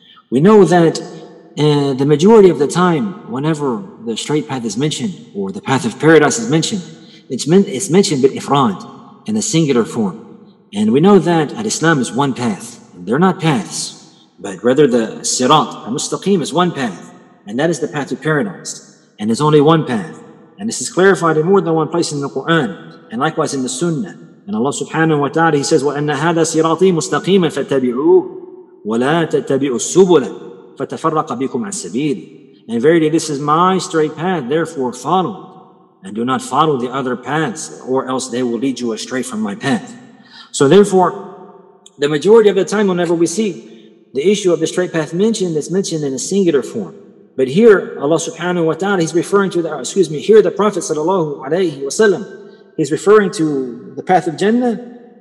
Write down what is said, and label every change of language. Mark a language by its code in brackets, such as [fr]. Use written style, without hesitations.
[en] We know that the majority of the time, whenever the straight path is mentioned, or the path of paradise is mentioned, it's mentioned bil ifrad, in a singular form. And we know that al-Islam is one path. They're not paths. But rather the sirat, al-mustaqim, is one path. And that is the path to paradise. And there's only one path. And this is clarified in more than one place in the Qur'an. And likewise in the sunnah. And Allah subhanahu wa ta'ala, He says, [ar] وَأَنَّ هَذَا سِرَاطِي مُسْتَقِيمًا فَاتَّبِعُوهُ وَلَا تَتَّبِعُوا السُّبُلَ فَتَفَرَّقَ بِكُمْ عَنْ السَّبِيلِ. [en] And verily this is my straight path, therefore follow it. And do not follow the other paths, or else they will lead you astray from my path. So therefore, the majority of the time whenever we see the issue of the straight path mentioned, it's mentioned in a singular form. But here, Allah subhanahu wa ta'ala, He's referring to here the Prophet sallallahu alayhi wa sallam, He's referring to the path of Jannah.